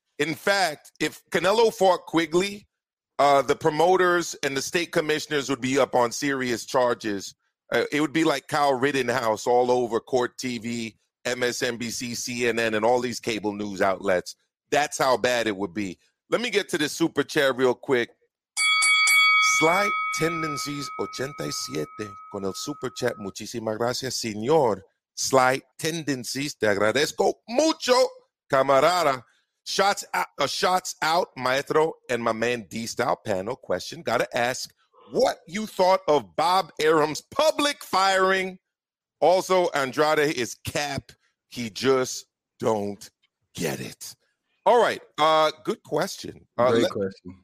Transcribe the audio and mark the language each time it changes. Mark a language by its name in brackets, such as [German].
[English] In fact, if Canelo fought Quigley, the promoters and the state commissioners would be up on serious charges. It would be like Kyle Rittenhouse all over Court TV, MSNBC, CNN, and all these cable news outlets. That's how bad it would be. Let me get to the super chair real quick. [Spanish] Slight Tendencies 87 con el super chat. Muchísimas gracias, señor. Slight Tendencies. Te agradezco mucho, camarada. [English] Shots out, maestro, and my man D-Style panel question. Gotta ask what you thought of Bob Arum's public firing. Also, Andrade is cap. He just don't get it. All right. Good question. Great question.